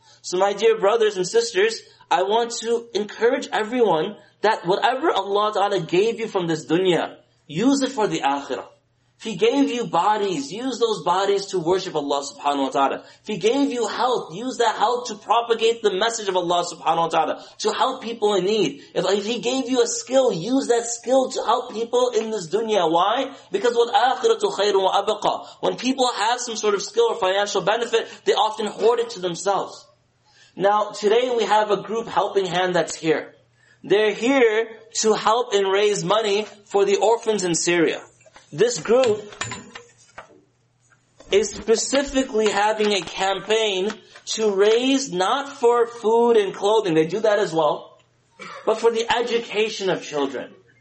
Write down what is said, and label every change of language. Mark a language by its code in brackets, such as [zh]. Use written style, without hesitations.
[en] So my dear brothers and sisters, I want to encourage everyone that whatever Allah Ta'ala gave you from this dunya, use it for the akhirah. If He gave you bodies, use those bodies to worship Allah subhanahu wa ta'ala. If He gave you health, use that health to propagate the message of Allah subhanahu wa ta'ala, to help people in need. If He gave you a skill, use that skill to help people in this dunya. Why? Because [ar] وَالْآخِرَةُ خَيْرٌ وَأَبَقَى. [en] When people have some sort of skill or financial benefit, they often hoard it to themselves. Now, today we have a group, Helping Hand, that's here. They're here to help and raise money for the orphans in Syria. This group is specifically having a campaign to raise, not for food and clothing, they do that as well, but for the education of children.